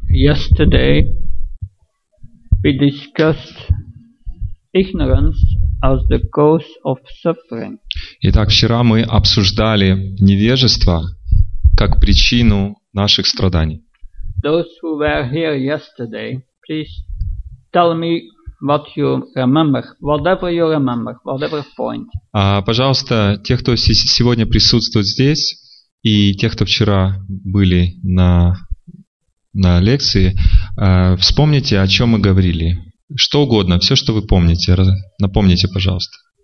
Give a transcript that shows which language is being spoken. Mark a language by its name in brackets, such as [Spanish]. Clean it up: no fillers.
[English] Yesterday, we discussed ignorance as the cause of suffering. [Russian] Итак, вчера мы обсуждали невежество как причину наших страданий. [English] Those who were here yesterday, please tell me what you remember, whatever you remember, whatever point. [Russian] Пожалуйста, те, кто сегодня присутствует здесь, и те, кто вчера были на лекции, вспомните, о чем мы говорили. Что угодно, все, что вы помните, напомните, пожалуйста.